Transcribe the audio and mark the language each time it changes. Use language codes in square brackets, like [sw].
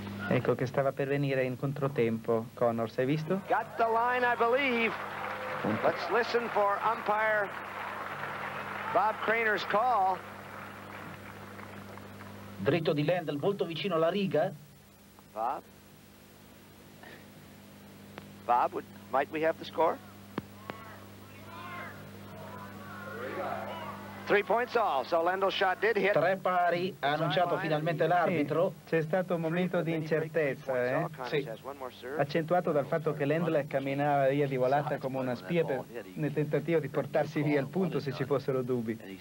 [it] Ecco che stava per venire in controtempo, Connors, hai visto? [en] Got the line, I believe. Let's listen for umpire Bob Craner's call. [it] Dritto di Lendl, molto vicino alla riga. [en] Bob? Bob, might we have the score? [it] Tre pari, ha annunciato finalmente l'arbitro. Sì, c'è stato un momento di incertezza, Sì. Accentuato dal fatto che Lendl camminava via di volata come una spia per, nel tentativo di portarsi via il punto, se ci fossero dubbi.